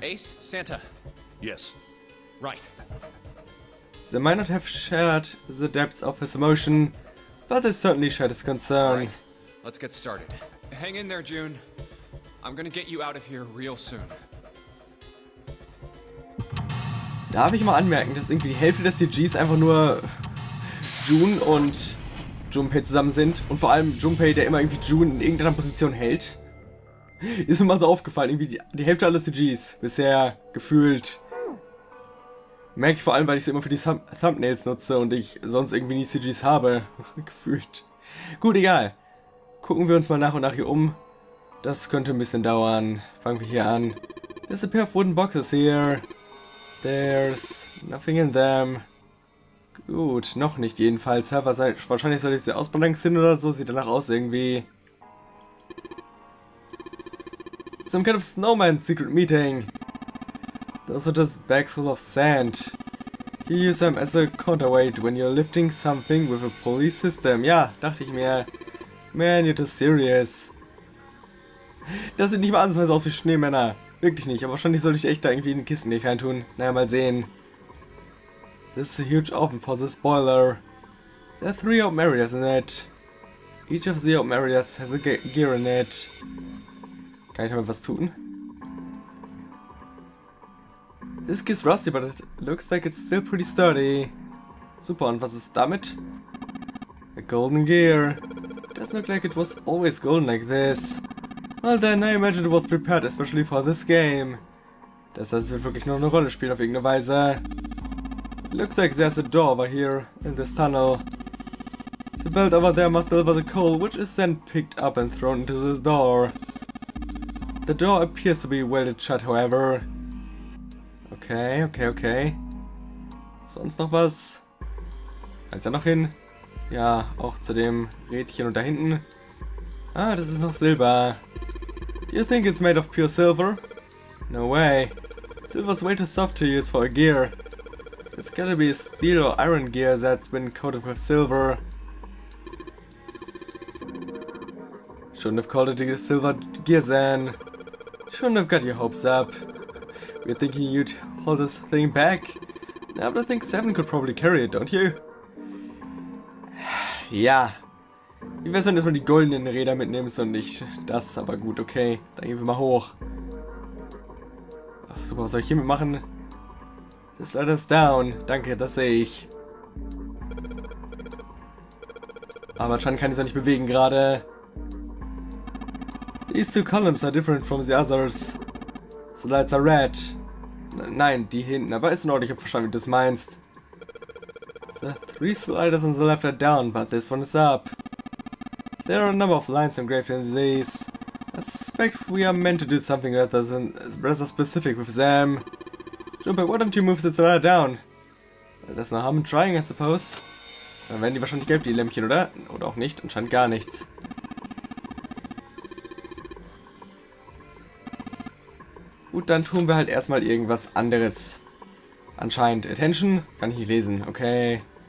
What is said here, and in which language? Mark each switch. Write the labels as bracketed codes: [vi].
[en] Ace, Santa. Yes. Right. They might not have shared the depths of his emotion, but they certainly shared his concern. Right. Let's get started. Hang in there, June. I'm gonna get you out of here real soon. [de] Darf ich mal anmerken, dass irgendwie die Hälfte des CGs einfach nur June und Junpei zusammen sind? Und vor allem Junpei, der immer irgendwie June in irgendeiner Position hält? Ist mir mal so aufgefallen, irgendwie die Hälfte aller CGs bisher gefühlt. Merke ich vor allem, weil ich sie immer für die Thumbnails nutze und ich sonst irgendwie nie CGs habe. Gefühlt. Gut, egal. Gucken wir uns mal nach und nach hier um. Das könnte ein bisschen dauern. Fangen wir hier an. [en] There's a pair of wooden boxes here. [de] There's nothing in them. Gut, noch nicht jedenfalls. Ja, wahrscheinlich soll ich sie ausbalancieren oder so. Sieht danach aus irgendwie. [en] Some kind of snowman secret meeting. Those are just bags full of sand. You use them as a counterweight when you're lifting something with a pulley system. [de] Ja, dachte ich mir. [en] Man, you're too serious. [de] Das sieht nicht mal ansatzweise aus wie Schneemänner. Wirklich nicht, aber wahrscheinlich soll ich echt da irgendwie in den Kissen nicht reintun. Naja, mal sehen. [en] This is a huge oven for the spoiler. There are three open areas in it. Each of the open areas has a gear in it. [de] Kann ich damit was tun? [en] This gear's rusty, but it looks like it's still pretty sturdy. [de] Super, und was ist damit? [en] A golden gear. Doesn't look like it was always golden like this. Well then, I imagine it was prepared especially for this game. [de] Das heißt, es wird wirklich nur eine Rolle spielen auf irgendeine Weise. [en] Looks like there's a door over here in this tunnel. The belt over there must deliver the coal, which is then picked up and thrown into this door. The door appears to be welded shut, however. [de] Okay, okay, okay. Sonst noch was? Kann ich da noch hin? Ja, auch zu dem Rädchen und da hinten. Ah, das ist noch Silber. [en] You think it's made of pure silver? No way. Silver's way too soft to use for a gear. It's gotta be a steel or iron gear that's been coated with silver. Shouldn't have called it a silver gear then. Shouldn't have got your hopes up. We're thinking you'd hold this thing back. Now I think 7 could probably carry it, don't you? [de] Ja. Wie wär's, wenn du erstmal die goldenen Räder mitnimmst und nicht das, aber gut, okay. Dann gehen wir mal hoch. Ach, super, was soll ich hier mitmachen? [en] This ladder is down. [de] Danke, das sehe ich. Aber anscheinend kann ich es auch nicht bewegen gerade. [en] These two columns are different from the others. The lights are red. [de] Nein, die hinten, aber ist in Ordnung, ich habe verstanden, wie du das meinst. [en] The three sliders on the left are down, but this one is up. There are a number of lines engraved in these. I suspect we are meant to do something rather specific with them. Junpei, why don't you move the ladder down? That's no harm in trying, I suppose. [de] Dann werden die wahrscheinlich gelb, die Lämpchen, oder? Oder auch nicht, anscheinend gar nichts. Gut, dann tun wir halt erstmal irgendwas anderes. Anscheinend. Attention? Kann ich nicht lesen, okay.